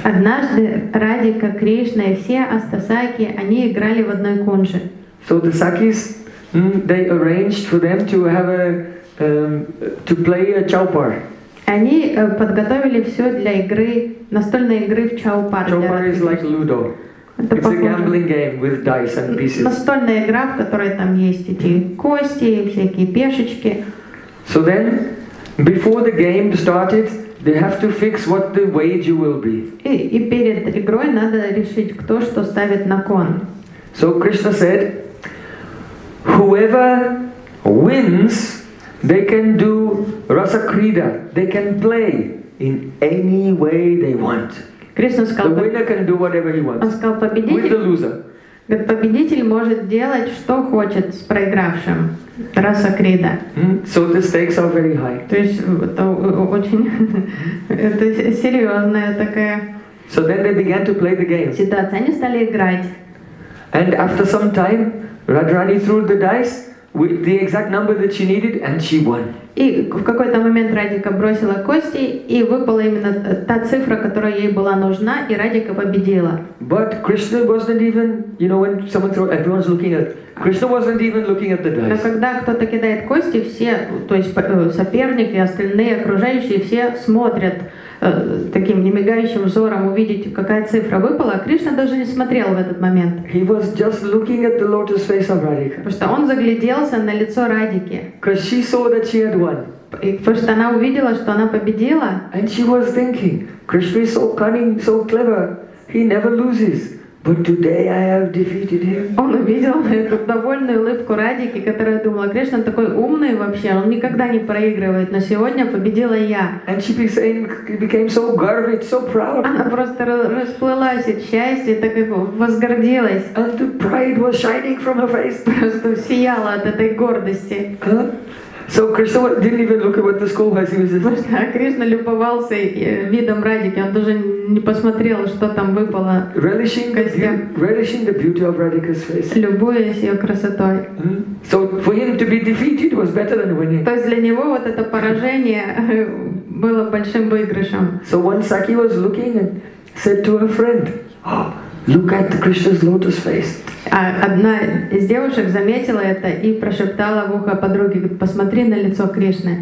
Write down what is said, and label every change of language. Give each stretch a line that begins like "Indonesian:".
Russian: Однажды Радика, Кришна и все астасаки, они играли в одной кунже.
English: So the sakis, they arranged for them to have to play a чаупар.
Russian: Они подготовили все для игры, настольной игры в чаупар.
English: Чаупар is like Ludo. It's a gambling game with dice and pieces.
Russian: Настольная игра, в которой там есть эти кости, всякие пешечки.
English: So then, before the game started, they have to fix what the wager will be.
Russian: И перед игрой надо решить, кто что ставит на кон.
English: So Krishna said, whoever wins, they can do rasa krida. They can play in any way they want.
Russian: Krishna сказал,
English: the winner can do whatever he wants.
Russian: Он сказал, победитель,
English: with the loser.
Russian: Победитель может делать, что хочет с проигравшим.
English: Rasa krida. So the stakes are very high.
Russian: То есть это очень это серьезная такая.
English: So then they began to play the game.
Russian: Ситуация. Они стали играть.
English: And after some time, Radharani threw the dice with the exact number that she needed, and she won.
Russian: И в какой-то момент Радика бросила кости, и выпала именно та цифра, которая ей была нужна, и Радика победила.
English: But Krishna wasn't even, you know, when someone throws, everyone's looking at. Krishna wasn't even looking at the dice.
Russian: Но когда кто-то кидает кости, все, то есть соперник и остальные окружающие, все смотрят таким немигающим взором увидеть, какая цифра выпала, а Кришна даже не смотрел в этот момент.
English: He was just looking at the lotus face of Radhika.
Russian: Потому что он загляделся на лицо Радики.
English: Because she saw that she had won.
Russian: Потому что она увидела, что она победила.
English: And she was thinking, Krishna is so cunning, so clever, he never loses. But today I have defeated him.
Russian: Он увидел эту довольную улыбку Радики, которая думала, Кришна такой умный вообще, он никогда не проигрывает, но сегодня победила я.
English: And she became so garbage, so proud.
Russian: Она просто расплылась от счастья, так и возгордилась.
English: And the pride was shining from her face.
Russian: Просто сияла от этой гордости.
English: So Krishna didn't even look at what the school has.
Russian: Кришна любовался видом Радики. Он даже не посмотрел, что там выпало.
English: Relishing the beauty of Radhika's face.
Russian: Любуясь ее красотой.
English: So for him to be defeated was better than winning.
Russian: То есть для него вот это поражение было большим выигрышем.
English: So one Saki was looking and said to her friend, "Oh, look at Krishna's lotus face."
Russian: А одна из девушек заметила это и прошептала в ухо подруге: «Посмотри на лицо Кришны».